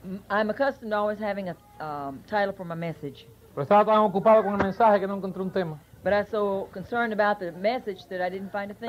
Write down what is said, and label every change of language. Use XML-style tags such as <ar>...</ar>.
<en>I'm accustomed to always having a title for my message.</en> <es>Pero estaba tan ocupado con el mensaje que no encontré un tema.</es> <en>But I'm so concerned about the message that I didn't find a thing.</en>